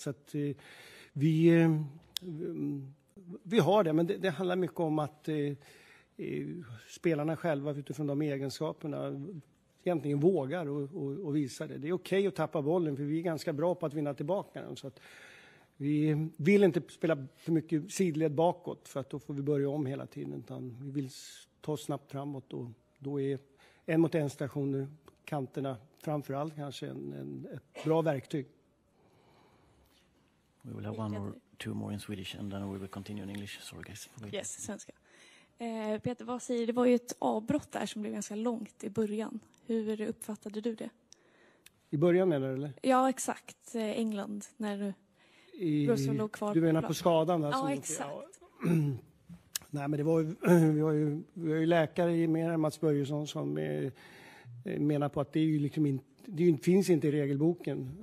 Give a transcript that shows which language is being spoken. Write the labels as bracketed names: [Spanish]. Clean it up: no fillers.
[Swedish] Så att vi har det, men det handlar mycket om att spelarna själva utifrån de egenskaperna egentligen vågar och visar det. Det är okej att tappa bollen, för vi är ganska bra på att vinna tillbaka den. Så att vi vill inte spela för mycket sidled bakåt, för att då får vi börja om hela tiden. Utan vi vill ta snabbt framåt, och då är en mot en stationer, kanterna framför allt kanske ett bra verktyg. [English] We will have one or two more in Swedish and then we will continue in English. Sorry guys. Yes, [Swedish] svenska. Peter, vad säger du? Det var ju ett avbrott där som blev ganska långt i början. Hur uppfattade du det? I början menar du, eller? Ja, exakt. England, när Russell låg kvar. Du menar på skadan? Där, ja, exakt. Nej, men det var ju, vi har ju läkare i mer än Mats Börjesson som menar på att det är ju liksom finns inte i regelboken.